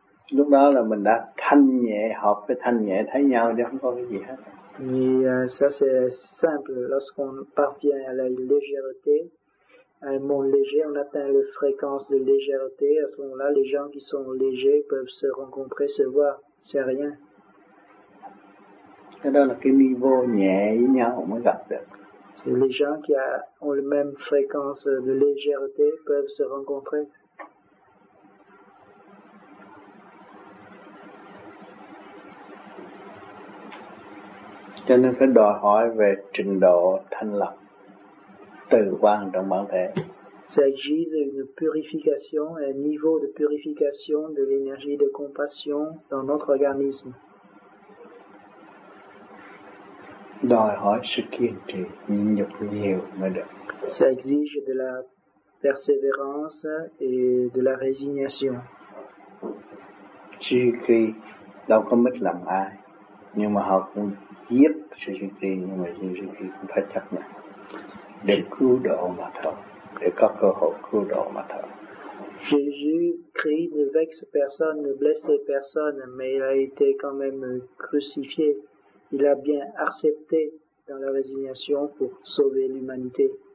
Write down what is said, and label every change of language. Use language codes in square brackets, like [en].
[vi] Lúc đó là mình đã thanh nhẹ, hợp với thanh nhẹ, thấy nhau chứ không có cái gì hết. [fr] Et ça c'est simple, lorsqu'on parvient à la légèreté, à un monde léger, on atteint la fréquence de légèreté, à ce moment-là, les gens qui sont légers peuvent se rencontrer, se voir, c'est rien. [vi] Cái đó là cái niveau nhẹ với nhau mới gặp được. [fr] C'est les gens qui ont la même fréquence de légèreté peuvent se rencontrer. [vi] Cho nên phải đòi hỏi về trình độ thanh lọc từ quan trong bản thể. [fr] Ça exige une purification, un niveau de purification de l'énergie de compassion dans notre organisme. [vi] Đòi hỏi sự kiên trì, nhịn nhục nhiều mới được. [fr] Ça exige de la persévérance et de la résignation. [vi] Chỉ khi đâu có mất lòng ai, nhưng mà họ cũng giết sự duy trì, nhưng mà sự duy trì cũng phải chấp nhận để cứu độ mà thôi, để có cơ hội cứu độ mà thôi. [fr] Jésus-Christ ne vexe personne, ne blesse personne, mais il a été quand même crucifié. Il a bien accepté dans la résignation pour sauver l'humanité.